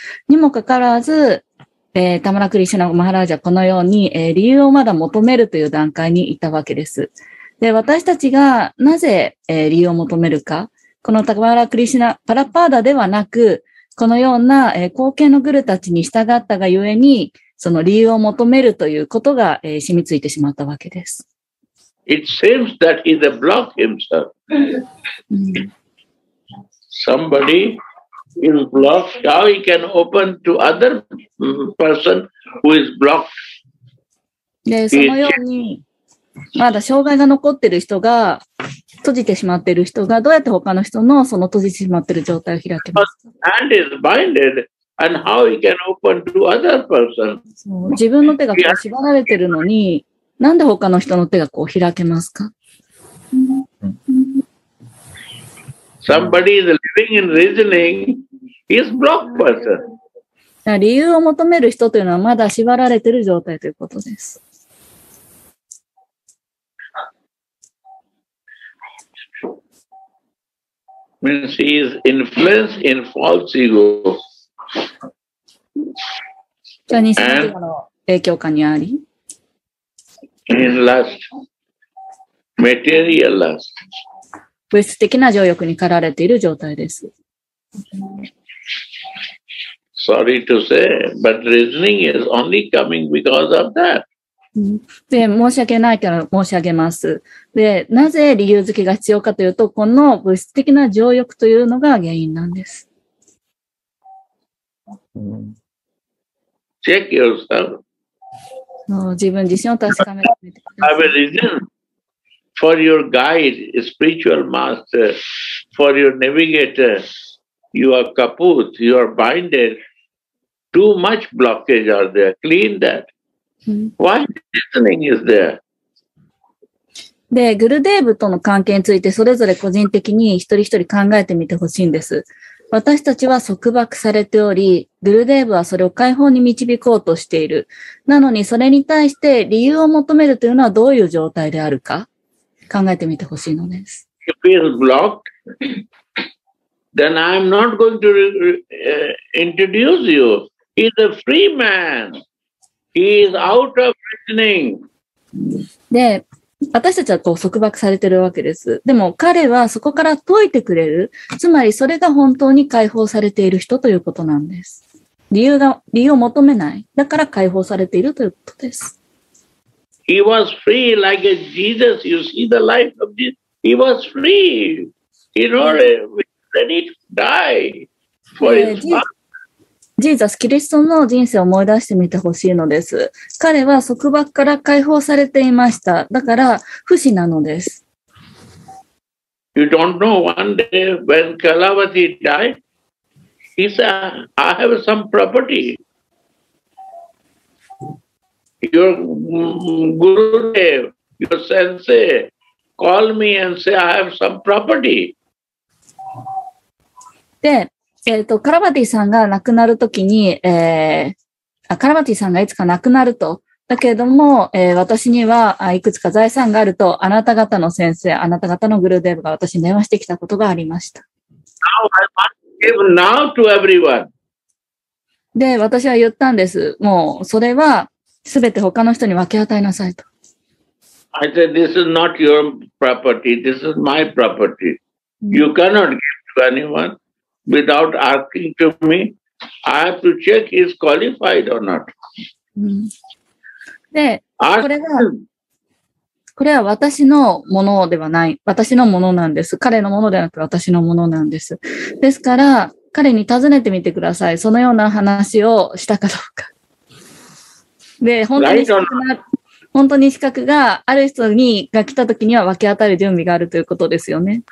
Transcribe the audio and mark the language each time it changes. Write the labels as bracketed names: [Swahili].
[Japanese] にもかかわらず、タマラ・クリシュナ・マハラージはこのように、理由をまだ求めるという段階にいたわけです。で、私たちがなぜ、理由を求めるか、このタマラ・クリシュナ・プラッパーダではなく、このような、後継のグルたちに従ったがゆえに、その理由を求めるということが、染みついてしまったわけです。 [English] It seems that he's a block himself. Somebody is blocked. How he can open to other person who is blocked? [Japanese] で、そのように、まだ障害が残ってる人が、閉じてしまってる人が、どうやって他の人のその閉じてしまってる状態を開けますか? [English] Hand is binded, and how he can open to other person? [Japanese] 自分の手が縛られてるのに、なんで他の人の手がこう開けますか? [English] Somebody is living in reasoning, he's blocked person. [Japanese] 理由を求める人というのはまだ縛られている状態ということです。 [English] Means he is influenced in false ego. [Japanese] じゃあ、二世紀の影響下にあり? [English] In lust, material lust. [Japanese] 物質的な情欲に駆られている状態です。 [English] Sorry to say, but reasoning is only coming because of that. [Japanese] で、申し訳ないから申し上げます。で、なぜ理由付けが必要かというと、この物質的な情欲というのが原因なんです。 [English] Check yourself. [Japanese] 自分自身を確かめてみてください。 [English] I have a reason for your guide, spiritual master, for your navigator. You are kaput, you are binded. Too much blockage are there. Clean that. Why listening is there? [Japanese] で、グルデーブとの関係についてそれぞれ個人的に一人一人考えてみてほしいんです。私たちは束縛されており、グルデーブはそれを解放に導こうとしている。なのに、それに対して理由を求めるというのはどういう状態であるか、考えてみてほしいのです。 [English] You feel blocked, then I'm not going to introduce you. He's a free man. He is out of reasoning. [Japanese] で、私たちはこう束縛されてるわけです。でも彼はそこから解いてくれる。つまりそれが本当に解放されている人ということなんです。理由を求めない。だから解放されているということです。 [English] He was free like a Jesus. You see the life of Jesus. He was free. He didn't ready to die for his father. [Japanese] ジーザス・キリストの人生を思い出してみてほしいのです。彼は束縛から解放されていました。だから、不死なのです。 [English] You don't know one day when Kalavati died, he said, I have some property. Your guru, your sensei, call me and say, I have some property. [Japanese] で、カラバティさんが亡くなるときに、カラバティさんがいつか亡くなると。だけれども、私にはいくつか財産があると、あなた方の先生、あなた方のグルデーブが私に電話してきたことがありました。 [English] Now I must give now to everyone. [Japanese] で、私は言ったんです。もう、それは全て他の人に分け与えなさいと。 [English] I said, this is not your property. This is my property. You cannot give to anyone. Without asking to me, I have to check he's qualified or not. [Japanese] で、これは私のものではない。私のものなんです。彼のものではなく私のものなんです。ですから、彼に尋ねてみてください。そのような話をしたかどうか。で、本当に資格がある人にが来た時には分け与える準備があるということですよね。